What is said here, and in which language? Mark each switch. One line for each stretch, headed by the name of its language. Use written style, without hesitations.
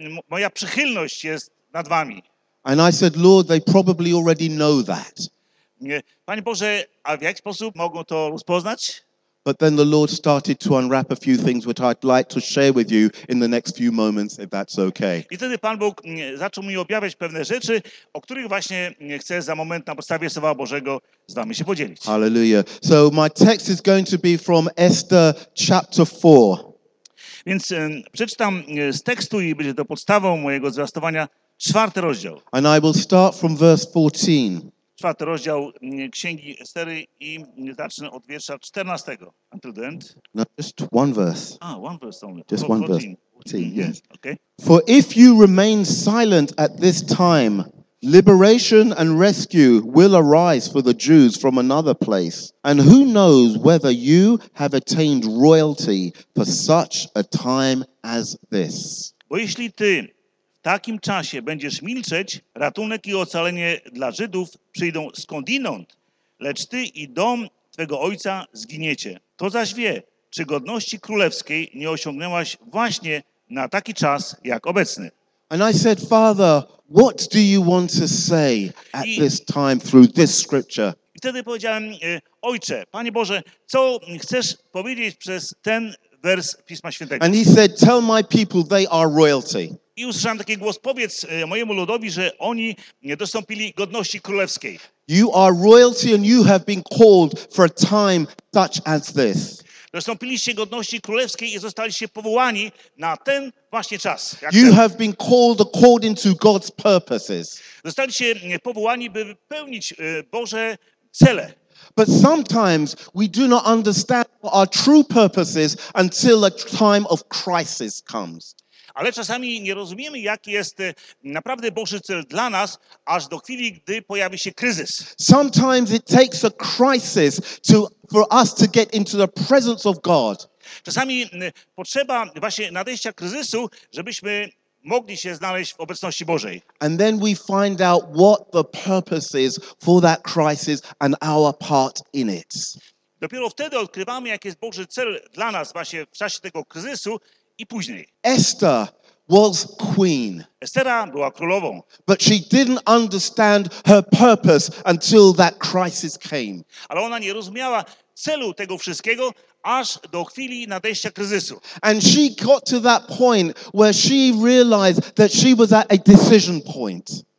Polish: Moja przychylność jest nad wami.
English: And I said, Lord, they probably already know that.
Polish: Panie Boże, a w jaki sposób mogą to rozpoznać?
English: But then the Lord started to unwrap a few things which I'd like to share with you in the next few moments, if that's okay.
Polish: I wtedy Pan Bóg zaczął mi objawiać pewne rzeczy, o których właśnie chcę za moment na podstawie Słowa Bożego z nami się podzielić.
English: Hallelujah. So my text is going to be from Esther chapter 4.
Polish: Więc przeczytam z tekstu i będzie to podstawą mojego zwiastowania, 4 rozdział.
English: And I will start from verse 14.
Polish: Czwarty rozdział Księgi Estery i zacznę od wiersza 14.
English: Until the end. No, just one verse. One verse only. Just one 14. Verse. 14, yes. Okay. For if you remain silent at this time, liberation and rescue will arise for the Jews from another place. And who knows whether you have attained royalty for such a time as this.
Polish: Bo jeśli ty w takim czasie będziesz milczeć, ratunek i ocalenie dla Żydów przyjdą skądinąd, lecz ty i dom twego ojca zginiecie. To zaś wie, czy godności królewskiej nie osiągnęłaś właśnie na taki czas jak obecny.
English: And I said, Father, what do you want to say at this time through this scripture?
Polish: I wtedy powiedziałem, Ojcze, Panie Boże, co chcesz powiedzieć przez ten wers Pisma Świętego?
English: And he said, tell my people they are royalty.
Polish: I usłyszałem taki głos, powiedz mojemu ludowi, że oni nie dostąpili godności królewskiej.
English: You are royalty and you have been called for a time such as this.
Polish: Dostąpiliście godności królewskiej i zostaliście powołani na ten właśnie czas.
English: You
Polish: ten.
English: Have been called according to God's purposes.
Polish: Zostaliście powołani, by wypełnić Boże cele.
English: But sometimes we do not understand what our true purpose is until a time of crisis comes.
Polish: Ale czasami nie rozumiemy, jaki jest naprawdę Boży cel dla nas, aż do chwili, gdy pojawi się kryzys.
English: Sometimes it takes a crisis to for us to get into the presence of God.
Polish: Czasami potrzeba właśnie nadejścia kryzysu, żebyśmy mogli się znaleźć w obecności Bożej.
English: And then we find out what the purpose is for that crisis and our part in it.
Polish: Dopiero wtedy odkrywamy, jaki jest Boży cel dla nas właśnie w czasie tego kryzysu i później.
English: Esther was queen.
Polish: Estera była królową.
English: But she didn't understand her purpose until that crisis came.
Polish: Ale ona nie rozumiała celu tego wszystkiego aż do chwili nadejścia kryzysu.
English: And she got to that point where she realized that she was at a decision point.